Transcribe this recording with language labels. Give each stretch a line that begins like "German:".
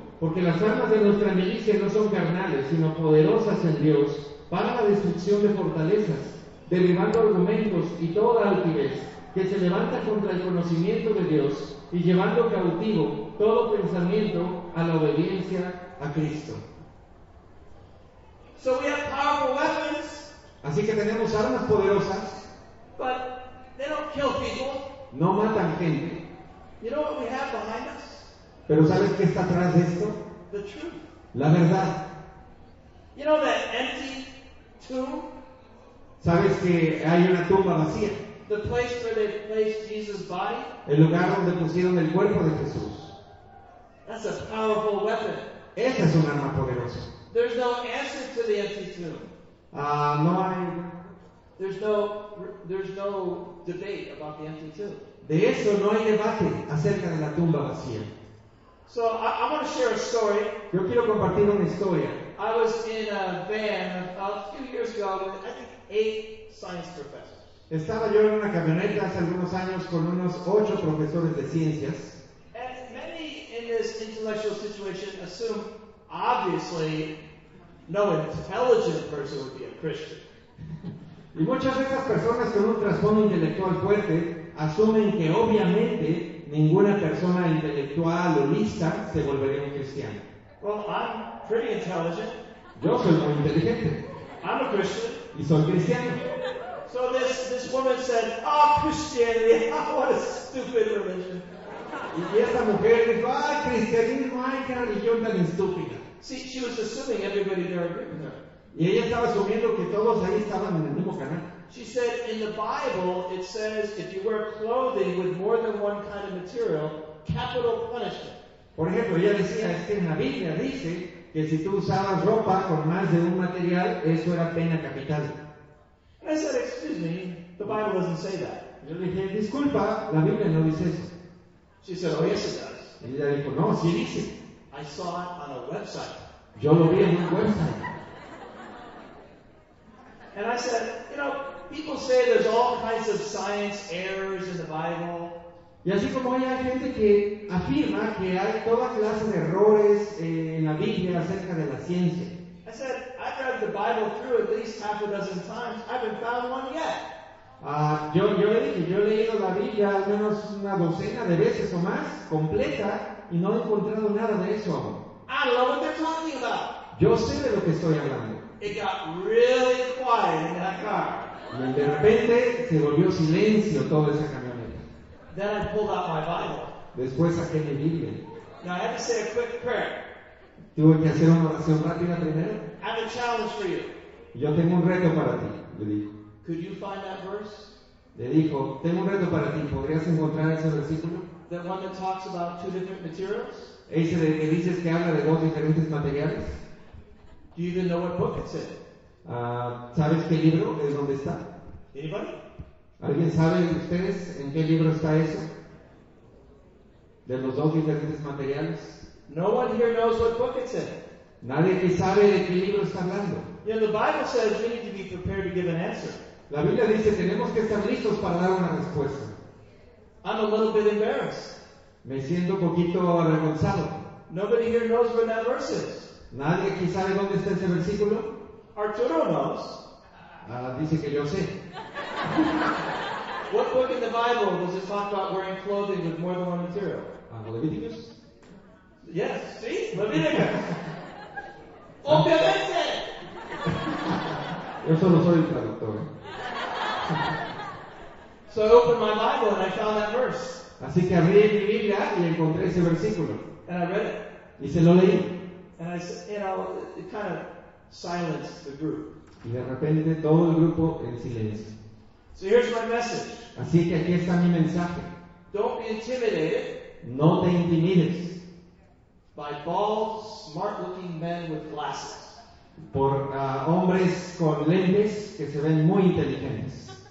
Spanish: Porque las armas de nuestra milicia no son carnales, sino poderosas en Dios para la destrucción de fortalezas, derribando argumentos y toda altivez que se levanta contra el conocimiento de Dios y llevando cautivo todo pensamiento a la obediencia a Cristo.
English: So we have powerful weapons,
Spanish: así que tenemos armas poderosas,
English: but they don't kill people.
Spanish: No matan gente.
English: You know what we have behind us?
Spanish: Pero ¿sabes qué está atrás de esto?
English: The truth.
Spanish: La verdad.
English: You know that empty tomb?
Spanish: ¿Sabes que hay una tumba vacía?
English: The place where they placed Jesus' body?
Spanish: El lugar donde pusieron el cuerpo de Jesús.
English: That's a powerful weapon.
Spanish: Esa es un arma poderosa.
English: There's no answer to the empty tomb.
Spanish: No hay.
English: There's no debate about the empty tomb.
Spanish: De eso no hay debate acerca de la tumba vacía.
English: So I want to share a story.
Spanish: Yo quiero compartir una historia.
English: I was in a van about a few years ago with, I think, 8 science professors.
Spanish: Estaba yo en una camioneta hace algunos años con unos 8 profesores de ciencias.
English: And many in this intellectual situation assume obviously, no intelligent person would be a Christian.
Spanish: Y muchas de esas personas con un trasfondo intelectual fuerte asumen que obviamente ninguna persona intelectual o lista se volvería un cristiano.
English: Well, I'm pretty intelligent.
Spanish: Yo soy muy inteligente.
English: I'm a Christian.
Spanish: Y soy cristiano.
English: So this woman said, "Ah, oh, Christianity, what a stupid religion."
Spanish: Y esta mujer dijo, "Ah, cristianismo, ay, qué religión tan estúpida."
English: See, she was assuming everybody there agreed with her.
Spanish: Y ella estaba asumiendo que todos ahí estaban en el mismo canal.
English: She said, "In the Bible, it says if you wear clothing with more than one kind of material, capital punishment."
Spanish: Por ejemplo, ella decía, es que en la Biblia dice que si tú usabas ropa con más de un material, eso era pena capital.
English: I said, "Excuse me, the Bible doesn't say that."
Spanish: Yo le dije, disculpa, la Biblia no dice eso.
English: She said, "Oh, yes, it does."
Spanish: Y ella dijo, no, sí dice.
English: I saw it on a website.
Spanish: Yo lo vi en un website.
English: And I said, you know, people say there's all kinds of science errors in the Bible.
Spanish: Y así como hay gente que afirma que hay toda clase de errores en la Biblia acerca de la ciencia.
English: I said, I've read the Bible through at least half a dozen times. I haven't found one yet.
Spanish: Yo he leído la Biblia al menos una docena de veces o más, completa, y no he encontrado nada de eso.
English: I don't know what they're talking about.
Spanish: Yo sé de lo que estoy hablando.
English: It got really quiet in that car.
Spanish: Y de repente se volvió silencio toda esa camioneta.
English: Then I pulled out my Bible.
Spanish: Después saqué mi Biblia.
English: Now I have to say a quick prayer.
Spanish: Tuve que hacer una oración rápida primero.
English: I have a challenge for you.
Spanish: Yo tengo un reto para ti, le dijo.
English: Could you find that verse?
Spanish: Le dijo, tengo un reto para ti. ¿Podrías encontrar ese versículo?
English: The one that talks about two different materials?
Spanish: Ese de que dices que habla de dos diferentes materiales.
English: Do you even know what book it's in?
Spanish: ¿Sabes qué libro es donde está?
English: Anybody?
Spanish: ¿Alguien sabe ustedes en qué libro está eso? De los dos diferentes materiales.
English: No one here knows what book it's in.
Spanish: Nadie que sabe de qué libro está hablando.
English: You know, the Bible says we need to be prepared to give an answer.
Spanish: La Biblia dice tenemos que estar listos para dar una respuesta.
English: I'm a little bit embarrassed.
Spanish: Me siento un poquito avergonzado.
English: Nobody here knows where that verse is.
Spanish: Nadie aquí sabe dónde está ese versículo.
English: Arturo knows.
Spanish: Dice que yo sé.
English: What book in the Bible does it talk about wearing clothing with more than one material? Leviticus. Yes, see? Leviticus.
Spanish: Obviamente! Yo solo soy el traductor.
English: So I opened my Bible and I found that verse.
Spanish: Así que abrí mi Biblia y encontré ese versículo.
English: And I read it.
Spanish: Y se lo leí.
English: And I said, you know, it kind of silenced the group.
Spanish: Y de repente todo el grupo en silencio.
English: So here's my message.
Spanish: Así que aquí está mi mensaje.
English: Don't be intimidated.
Spanish: No te intimides.
English: By bald, smart-looking men with glasses.
Spanish: Por hombres con lentes que se ven muy inteligentes.